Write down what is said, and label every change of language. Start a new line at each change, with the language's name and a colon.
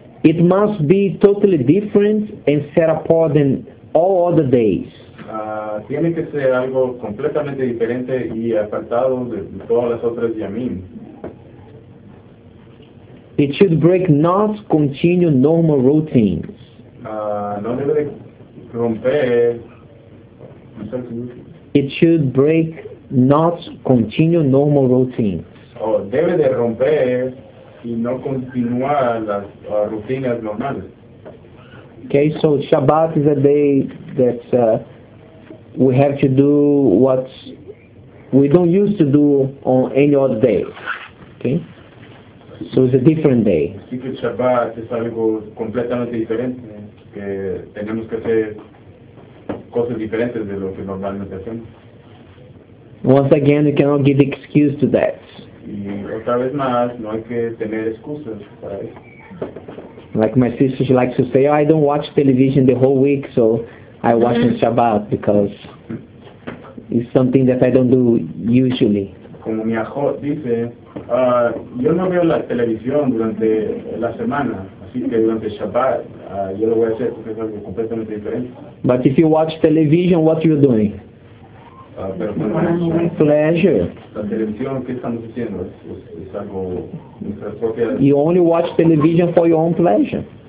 English: It must be totally different and set apart than all other days.
Spanish: Tiene que ser algo completamente diferente y apartado de todas las otras yamim.
English: It should break not continue normal routines.
Spanish: No debe romper.
English: It should break not continue normal routines.
Spanish: Oh, debe de romper y no continuar las rutinas normales.
English: Okay, so Shabbat is a day that we have to do what we don't used to do on any other day. Okay? So it's a different day.
Spanish: Así que Shabbat es algo completamente diferente, que tenemos que hacer cosas diferentes de lo que normalmente hacemos.
English: Once again, you cannot give excuse to that.
Spanish: Y otra vez más, no hay que tener excusas para eso.
English: Like my sister, she likes to say, oh, I don't watch television the whole week, so I watch on Shabbat because it's something that I don't do usually.
Spanish: Como mi ajo dice, yo no veo la televisión durante la semana, así que durante Shabbat yo lo voy a hacer porque es algo completamente diferente.
English: But if you watch television, what are you doing?
Spanish: Pero con pleasure. La televisión, ¿qué estamos haciendo? Es algo...
English: You only watch television for your own pleasure.